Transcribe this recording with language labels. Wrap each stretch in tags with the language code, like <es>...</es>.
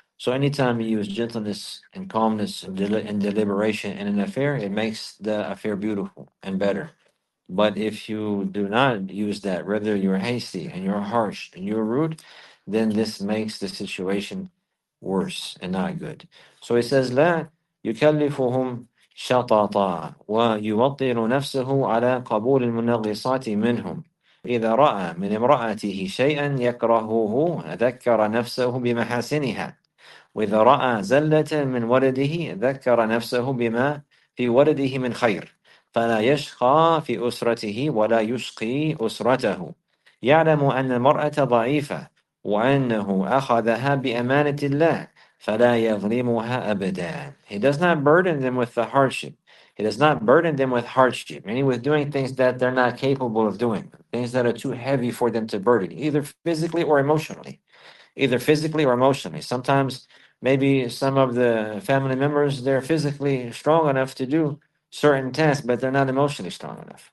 <en>So anytime you use gentleness and calmness and deliberation in an affair, it makes the affair beautiful and better. But if you do not use that, rather you're hasty and you're harsh and you're rude, then this makes the situation worse and not good. So he says,</en> <ar>لا يكلفهم شططا ويوطن نفسه على قبول المنغصات منهم إذا رأى من امرأته شيئا يكرهه ذكر نفسه بمحاسنها وإذا رأى زلة من ولده ذكر نفسه بما في ولده من خير فلا يشقى في أسرته ولا يشقي أسرته يعلم أن المرأة ضعيفة وأنه أخذها بأمانة الله فلا يظلمها أبدا.</ar> <en>He does not burden them with the hardship. He does not burden them with hardship, meaning with doing things that they're not capable of doing, things that are too heavy for them to burden, either physically or emotionally. Either physically or emotionally. Sometimes maybe some of the family members, they're physically strong enough to do certain tasks, but they're not emotionally strong enough.</en>